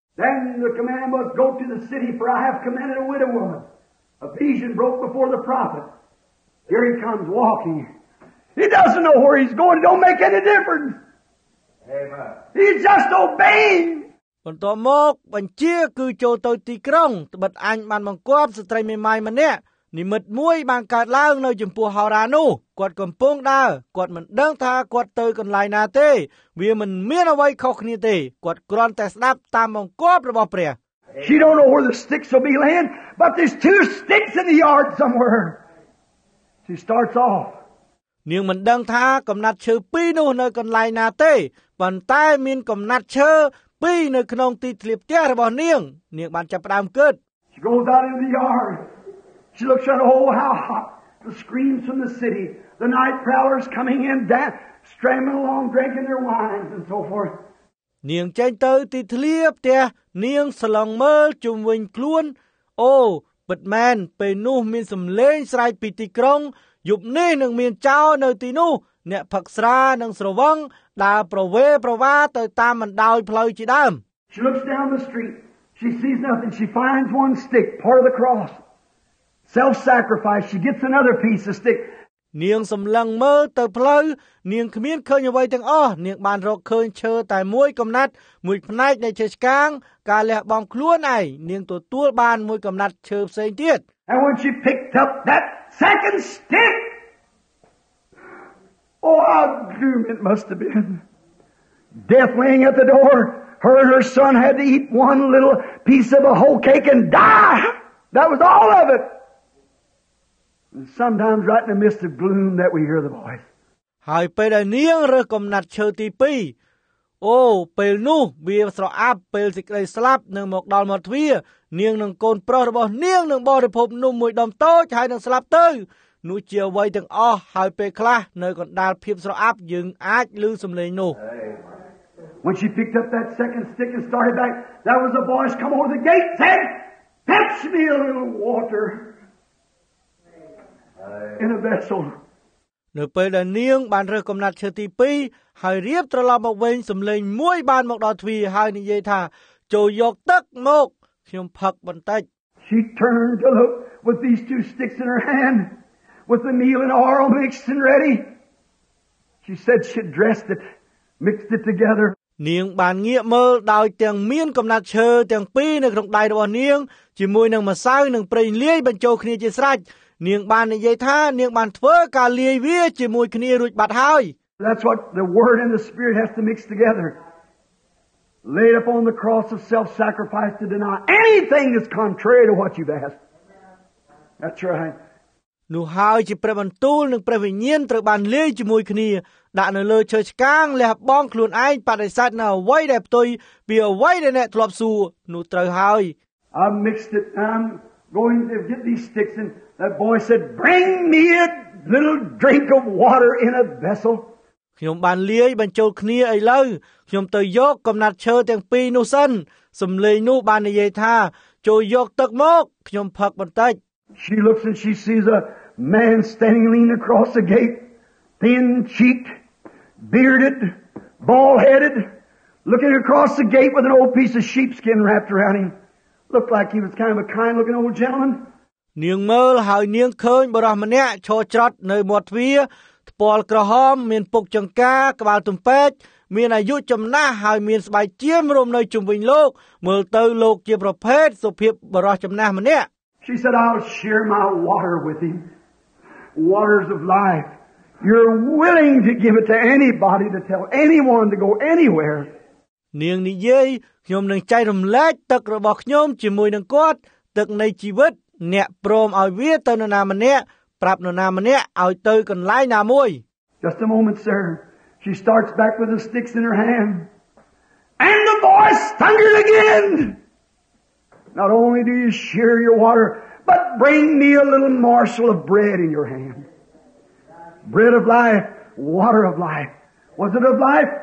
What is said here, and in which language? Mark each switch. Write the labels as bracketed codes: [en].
[en] Then the command must go to the city, for I have commanded a widow woman. A vision broke before the prophet. Here he comes walking. He doesn't know where he's going. It don't make any difference. Amen. He's just obeying. [km] បន្ទាប់មកបញ្ជាគឺចូលទៅទីក្រុងត្បិតអញបានបង្គាប់ស្ត្រីមេម៉ាយម្នាក់និមិត្តមួយបានកើតឡើងនៅចំពោះហោរានោះគាត់កំពុងដើរគាត់មិនដឹងថាគាត់ទៅកន្លែងណាទេវាមិនមានអ្វីខុសគ្នាទេគាត់គ្រាន់តែស្ដាប់តាមបង្គាប់របស់ព្រះ [en] She don't know where the sticks will be laying but there's two sticks in the yard somewhere She starts off [km] នាងមិនដឹងថាកំណាត់ឈើពីរនោះនៅកន្លែងណាទេប៉ុន្តែមានកំណាត់ឈើពីរនៅក្នុងទីធ្លាផ្ទះរបស់នាងនាងបានចាប់ផ្ដើមគិត [en] She goes out in the yard She looks at all how hot the screams from the cityThe night prowlers coming in, that streaming along, drinking their wines and so forth. [km] នាងចេញទៅទីធ្លាផ្ទះនាងសឡងមើលជុំវិញខ្លួនអូពិតមែនពេលនោះមានសំឡេងស្រែកពីទីក្រុងយប់នេះនឹងមានចោរនៅទីនោះអ្នកផឹកស្រានិងស្រវឹងដើរប្រវេប្រវាទៅតាមបណ្ដោយផ្លូវជាដើម [en] She looks down the street. She sees nothing. She finds one stick, part of the cross. Self-sacrifice. She gets another piece of stick. [km] នាងសម្លឹងមើលទៅផ្លូវនាងគ្មានឃើញអ្វីទាំងអស់នាងបានរកឃើញឈើតែមួយកំណាត់មួយផ្នែកនៃឈើឆ្កាងការលះបង់ខ្លួនឯងនាងទទួលបានមួយកំណាត់ឈើផ្សេងទៀត [en] And when she picked up that second stick Oh, how grim it must have been Death laying at the door her son had to eat one little piece of a whole cake and die That was all of itSometimes right in the midst of gloom that we hear the voice. [km] ហើយពេលដែលនាងរើសកំណាត់ឈើទី2អូពេលនោះវាស្រអាប់ពេលសេចក្តីស្លាប់នឹងមកដល់មាត់ទ្វារនាងនិងកូនប្រុសរបស់នាងនឹងបរិភពនំមួយដុំតូចហើយនឹងស្លាប់ទៅនោះជាអ្វីទាំងអស់ហើយពេលខ្លះនៅកណ្ដាលភាពស្រអាប់យើងអាចឮសំឡេងនោះ [en] When she picked up that second stick and started back that was a voice come over the gate said fetch me a little waterIn a vessel. [km] នៅពេលដែលនាងបានរើសកំណាត់ឈើទី2ហើយរៀបត្រឡប់មកវិញសំឡេងមួយបានមកដល់ទ្វារហើយនិយាយថាចូលយកទឹកមកខ្ញុំផឹកបន្តិច [en] She turned to look with these two sticks in her hand with the meal and oil mixed and ready. She said she dressed it, mixed it together. [km] នាងបានងាកមើលដោយទាំងមានកំណាត់ឈើទាំងពីរនៅក្នុងដៃរបស់នាងជាមួយនឹងម្សៅនិងប្រេងលាយបញ្ចូលគ្នាជាស្រេចនាងបាននិយាយថានាងបានធ្វើការលាយវាជាមួយគ្នារួចបាត់ហើយ [en] That's what the word and the spirit has to mix together. Laid up on the cross of self-sacrifice to deny anything that's contrary to what you've asked. That's right. [km] នោះហើយជាព្រះបន្ទូលនិងព្រះវិញ្ញាណត្រូវបានលាយជាមួយគ្នាដាក់នៅលើឈើឆ្កាងលះបង់ខ្លួនឯងបដិសេធនូវអ្វីដែលផ្ទុយពីអ្វីដែលអ្នកធ្លាប់សួរនោះត្រូវហើយ [en] I mixed it. I'm going to get these sticks andThat boy said, bring me a little drink of water in a vessel. [km] ខ្ញុំបានលាយបញ្ចូលគ្នាឥឡូវខ្ញុំទៅយកកំណាត់ឈើទាំងពីរនោះសិនសំឡេងនោះបាននិយាយថាចូលយកទឹកមកខ្ញុំផឹកបន្តិច [en] She looks and she sees a man standing leaning across the gate, thin-cheeked, bearded, bald-headed, looking across the gate with an old piece of sheepskin wrapped around him. Looked like he was kind of a kind-looking old gentleman. [km] នាងមើលហើយនាងឃើញបរិសម្នាក់ឈរច្រត់នៅមាត់ទ្វារថ្ពាល់ក្រហមមានពុកចង្កាក្បាលទំពែកមានអាយុចំណាស់ហើយមានស្បែកជាមរុំនៅជុំវិញលោកមើលទៅលោកជាប្រភេទសុភាពបរិសចំណាស់ម្នាក់ [en] She said I'll share my water with him waters of life you're willing to give it to anybody to tell anyone to go anywhere [km] នាងនិយាយខ្ញុំនឹងចែករំលែកទឹករបស់ខ្ញុំជាមួយនឹងគាត់ទឹកនៃជីវិតអ្នកព្រមឲ្យវាទៅនៅណាម្នាក់ប្រាប់នៅណាម្នាក់ឲ្យទៅកន្លែងណាមួយ [en] Just a moment sir she starts back with the sticks in her hand and the voice thundered again Not only do you share your water but bring me a little morsel of bread in your hand Bread of life water of life. Was it of life?